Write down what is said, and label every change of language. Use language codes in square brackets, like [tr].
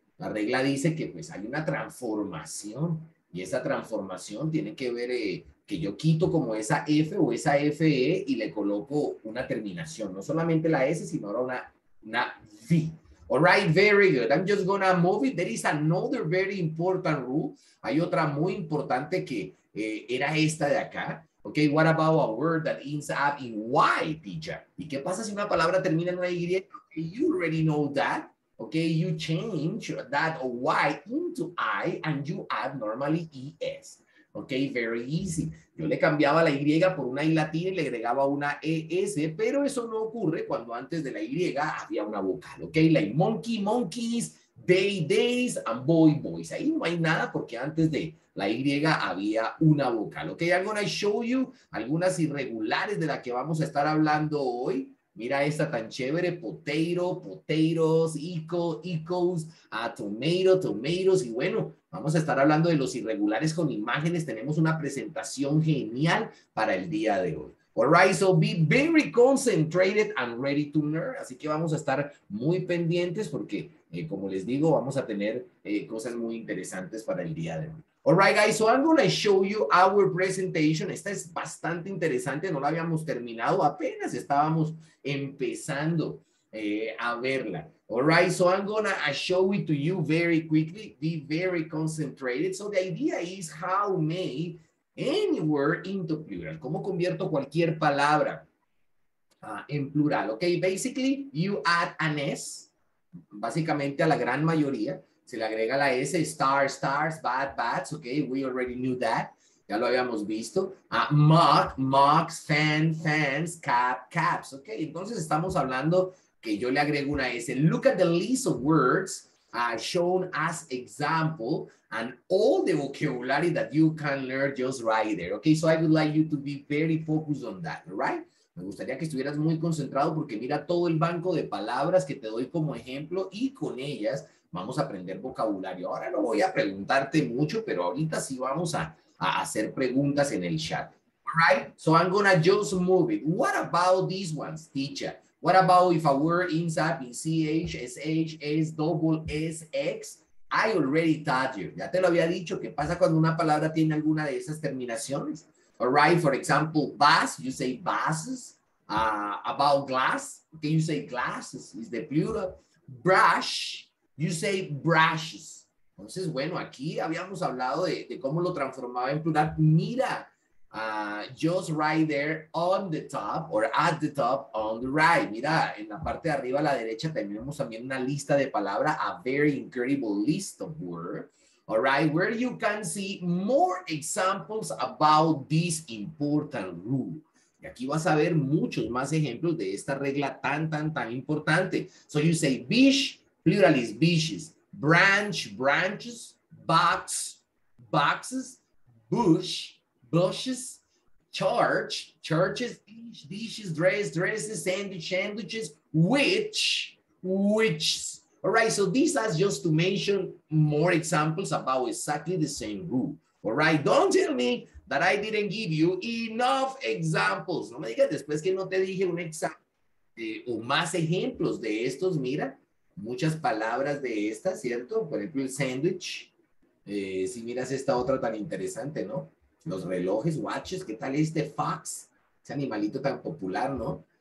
[es] La regla dice que pues hay una transformación. Y esa transformación tiene que ver que yo quito como esa F o esa FE y le coloco una terminación. No solamente la S, sino ahora una V. [en] All right, very good. I'm just gonna move it. There is another very important rule. [es] Hay otra muy importante que era esta de acá. [en] Okay, what about a word that ends up in Y, teacher? [es] ¿Y qué pasa si una palabra termina en una Y? [en] Okay, you already know that. Okay, you change that Y into I and you add normally ES. Okay, very easy. [es] Yo le cambiaba la Y por una I latina y le agregaba una ES, pero eso no ocurre cuando antes de la Y había una vocal. [en] Okay, like monkey, monkeys, [es] They, days, and boy, boys. Ahí no hay nada porque antes de la Y había una vocal. [en] Ok, I'm going to show you [es] algunas irregulares de las que vamos a estar hablando hoy. Mira esta tan chévere. Potato, potatoes, eco, tomato, tomatoes. Y bueno, vamos a estar hablando de los irregulares con imágenes. Tenemos una presentación genial para el día de hoy. [en] All right, so be very concentrated and ready to learn. [es] Así que vamos a estar muy pendientes porque, como les digo, vamos a tener cosas muy interesantes para el día de hoy. [en] All right, guys, so I'm going to show you our presentation. [es] Esta es bastante interesante. No la habíamos terminado. Apenas estábamos empezando a verla. [en] All right, so I'm going to show it to you very quickly. Be very concentrated. So the idea is how may any word into plural. [es] ¿Cómo convierto cualquier palabra en plural? [en] Okay, basically, you add an S. [es] Básicamente a la gran mayoría se le agrega la S, stars, bats, [en] ok, we already knew that, [es] ya lo habíamos visto, mugs, fans, caps, ok, entonces estamos hablando que yo le agrego una S. [en] Look at the list of words shown as example and all the vocabulary that you can learn just right there, ok, so I would like you to be very focused on that, right? [es] Me gustaría que estuvieras muy concentrado porque mira todo el banco de palabras que te doy como ejemplo y con ellas vamos a aprender vocabulario. Ahora no voy a preguntarte mucho, pero ahorita sí vamos a hacer preguntas en el chat. [en] All right, so I'm gonna just move it. What about these ones, teacher? What about if a word ends up in CH, SH, S, double S, X? I already taught you. [es] Ya te lo había dicho. ¿Qué pasa cuando una palabra tiene alguna de esas terminaciones? [en] All right, for example, bus, you say buses. About glass, can you say glasses? Is the plural. Brush, you say brushes. [es] Entonces, bueno, aquí habíamos hablado de cómo lo transformaba en plural. Mira, [en] just right there on the top or at the top on the right. [es] Mira, en la parte de arriba a la derecha tenemos también una lista de palabras, [en] a very incredible list of words. All right, where you can see more examples about this important rule. [es] Y aquí vas a ver muchos más ejemplos de esta regla tan importante. [en] So you say beach, plural is beaches, branch, branches, box, boxes, bush, bushes, church, churches, dishes, dresses, sandwiches, which. All right, so this is just to mention more examples about exactly the same rule. All right, don't tell me that I didn't give you enough examples. [es] No me digas después que no te dije un examen o más ejemplos de estos. Mira, muchas palabras de estas, ¿cierto? Por ejemplo, el sandwich. Si miras esta otra tan interesante, ¿no? Los relojes, watches. ¿Qué tal este fox? Ese animalito tan popular, ¿no?